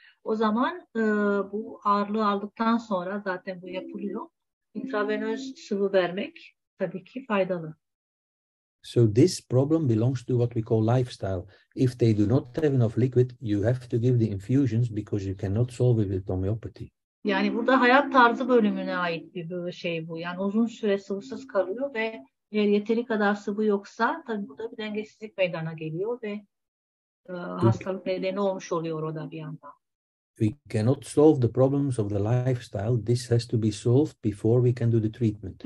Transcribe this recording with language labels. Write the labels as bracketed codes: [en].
[tr] O zaman bu ağırlığı aldıktan sonra zaten bu yapılıyor. İntravenöz sıvı vermek tabii ki faydalı. [en] So this problem belongs to what we call lifestyle. If they do not have enough liquid, you have to give the infusions because you cannot solve it with homeopathy. [tr] Yani burada hayat tarzı bölümüne ait bir şey bu. Yani uzun süre sıvısız kalıyor ve eğer yeteri kadar sıvı yoksa tabii burada bir dengesizlik meydana geliyor ve hastalık nedeni olmuş oluyor o da bir yandan. [en] We cannot solve the problems of the lifestyle. This has to be solved before we can do the treatment.